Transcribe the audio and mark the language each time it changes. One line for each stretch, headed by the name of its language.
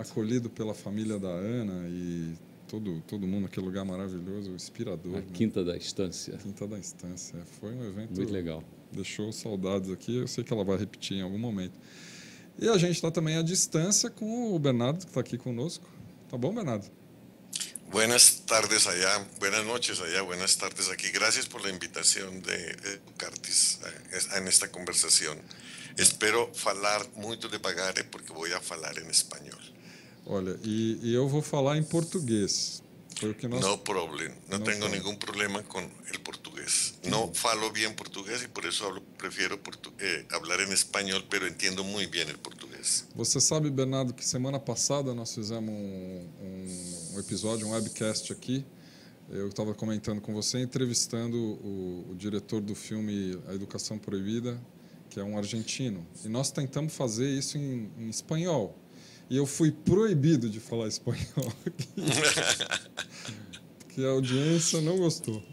Portuguese: Acolhido pela família da Ana e todo mundo, aquele lugar maravilhoso, inspirador. A Quinta da Estância. Quinta da Estância. Foi um evento muito legal. Deixou saudades aqui, eu sei que ela vai repetir em algum momento. E a gente está também à distância com o Bernardo, que está aqui conosco. Tá bom, Bernardo?
Spanish: Buenas tardes allá, buenas noches allá, buenas tardes aquí. Gracias por la invitación de Cartis en esta conversación.
Portuguese: Espero falar muito devagar, porque
Spanish: voy a falar en español.
Portuguese: Olha, e eu vou falar em português.
English: No problem,
Portuguese: não tenho
Spanish: ningún problema con el português. No falo bien português y por eso prefiero hablar en español, pero entiendo muy bien el português.
Portuguese: Você sabe, Bernardo, que semana passada nós fizemos um episódio, um webcast aqui. Eu estava comentando com você, entrevistando o diretor do filme A Educação Proibida, que é um argentino. E nós tentamos fazer isso em espanhol. E eu fui proibido de falar espanhol porque a audiência não gostou.